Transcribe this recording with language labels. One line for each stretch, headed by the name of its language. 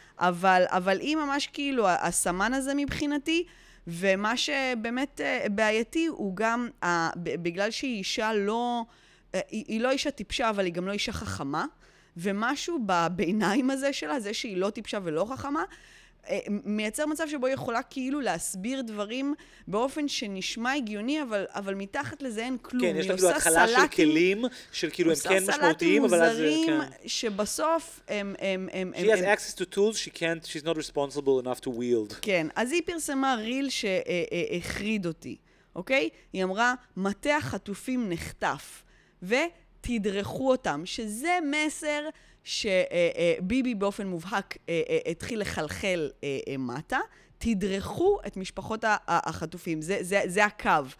Hebrew: אבל היא ממש כאילו, הסמן הזה מבחינתי, ומה שבאמת בעייתי הוא גם, בגלל שהיא אישה לא, היא לא אישה טיפשה, אבל היא גם לא אישה חכמה, ומשהו בביניים הזה שלה, זה שהיא לא טיפשה ולא חכמה, מייצר מצב שבו היא יכולה כאילו להסביר דברים באופן שנשמע הגיוני, אבל מתחת לזה אין כלום. כן, יש לה כאילו התחלה של כלים, של כאילו הם כן משמעותיים, אבל אז... עושה סלטים מוזרים שבסוף הם...
English: She has access to tools she can't, she's not responsible enough to wield.
Hebrew: כן, אז היא פרסמה ריל שהחריד אותי, אוקיי? היא אמרה, מתי החטופים נחטף, ותדרכו אותם, שזה מסר... שביבי באופן מובהק התחיל לחלחל מטה, תדרכו את משפחות החטופים. זה הקו.